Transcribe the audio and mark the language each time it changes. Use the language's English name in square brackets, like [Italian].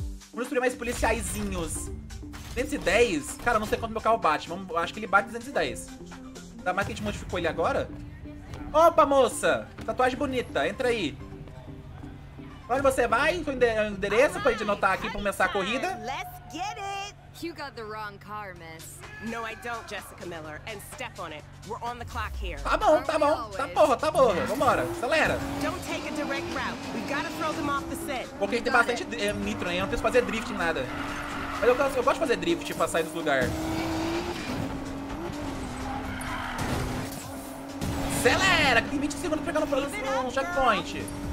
[Portuguese] Vamos destruir mais policiaizinhos. 210? Cara, não sei quanto meu carro bate. Acho que ele bate 210. Ainda mais que a gente modificou ele agora. Opa, moça! Tatuagem bonita, entra aí. Onde você vai? Seu endereço pra gente anotar aqui pra começar a corrida. [English] Let's get it! You got the wrong car, miss. No, I don't, Jessica Miller. And step on it. We're on the clock here. [Portuguese] Tá bom, tá bom. Tá porra. Vambora, acelera. [English] Don't take a direct route. We gotta throw them off the set. [Portuguese] Porque tem bastante nitro aí, eu não preciso fazer drift em nada. Mas eu gosto de fazer drift pra sair do lugar. Acelera, que tem 20 segundos pra pegar no próximo checkpoint.